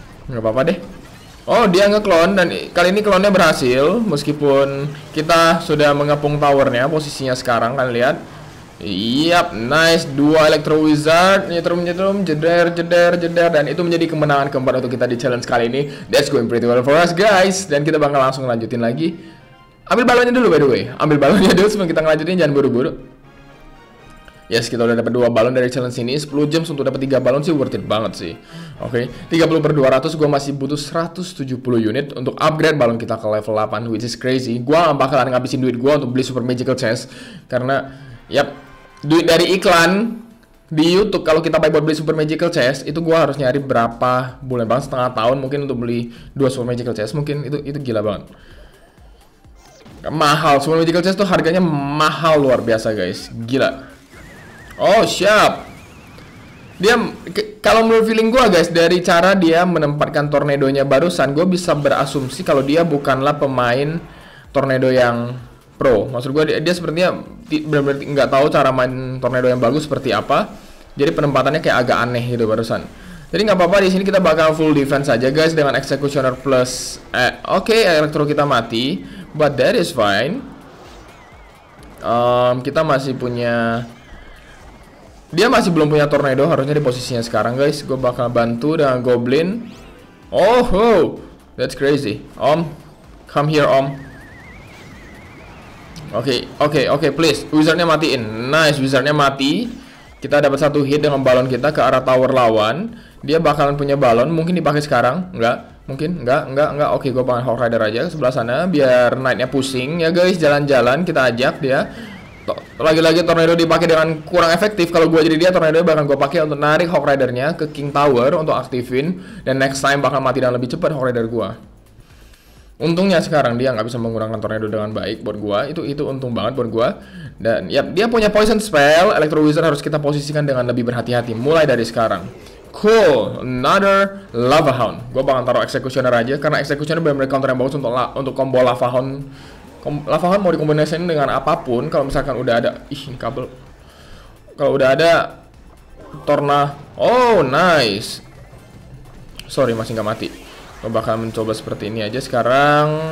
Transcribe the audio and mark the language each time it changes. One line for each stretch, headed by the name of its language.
Indonesian: Nggak apa-apa deh. Oh, dia nge-clone, dan kali ini clone-nya berhasil. Meskipun kita sudah mengepung tower-nya posisinya sekarang, kalian lihat. Yap, nice. Dua Electro Wizard. Nyetrum-nyetrum, jeder. Dan itu menjadi kemenangan keempat untuk kita di challenge kali ini.
English: That's going pretty well for us, guys.
Indonesian: Dan kita bakal langsung lanjutin lagi. Ambil balonnya dulu,
English: by the way.
Indonesian: Ambil balonnya dulu sebelum kita ngelanjutin, jangan buru-buru. Yes, kita udah dapat 2 balon dari challenge ini. 10 gems untuk dapat 3 balon sih
English: worth it
Indonesian: banget sih. Oke, okay. 30/200, gue masih butuh 170 unit untuk upgrade balon kita ke level 8,
English: which is crazy.
Indonesian: Gue bakalan ngabisin duit gue untuk beli Super Magical Chest. Karena, yap, duit dari iklan di YouTube kalau kita buat beli Super Magical Chest, itu gue harus nyari berapa bulan banget, setengah tahun mungkin untuk beli 2 Super Magical Chest. Mungkin itu gila banget. Mahal, Super Magical Chest tuh harganya mahal luar biasa, guys. Gila. Oh, siap. Dia, kalau menurut feeling gue, guys, dari cara dia menempatkan tornadonya barusan, gue bisa berasumsi kalau dia bukanlah pemain tornado yang pro. Maksud gue, dia sepertinya benar-benar nggak tahu cara main tornado yang bagus seperti apa. Jadi penempatannya kayak agak aneh gitu barusan. Jadi nggak apa-apa, di sini kita bakal full defense aja, guys, dengan executioner plus. Okay, elektro kita mati,
English: but that is fine.
Indonesian: Kita masih punya. Dia masih belum punya tornado, harusnya di posisinya sekarang, guys. Gue bakal bantu dengan goblin.
English: Oh, oh, that's crazy. Om, come here, om.
Indonesian: Okay, please. Wizardnya matiin. Nice, wizardnya mati. Kita dapat satu hit dengan balon kita ke arah tower lawan. Dia bakalan punya balon, mungkin dipakai sekarang. Enggak, mungkin, enggak. Okay, gue pengen Hawk Rider aja ke sebelah sana. Biar knight-nya pusing, ya, guys. Jalan-jalan, kita ajak dia. Lagi-lagi tornado dipakai dengan kurang efektif. Kalau gue jadi dia, tornado bakal gue pakai untuk narik Hawk Rider-nya ke King Tower untuk aktifin, dan
English: next time
Indonesian: bakal mati dan lebih cepat Hawk Rider gue. Untungnya sekarang dia nggak bisa menggunakan tornado dengan baik buat gue. Itu untung banget buat gue. Dan ya, dia punya poison spell. Electro Wizard harus kita posisikan dengan lebih berhati-hati mulai dari sekarang.
English: Cool, another Lava Hound.
Indonesian: Gue bakal taruh Executioner aja karena Executioner benar-benar counter yang bagus untuk combo Lava Hound. Lava Hound mau dikombinasikan dengan apapun. Kalau misalkan udah ada, ih ini kabel. Kalau udah ada torna, oh nice. Sorry masih nggak mati. Gue bakal mencoba seperti ini aja sekarang.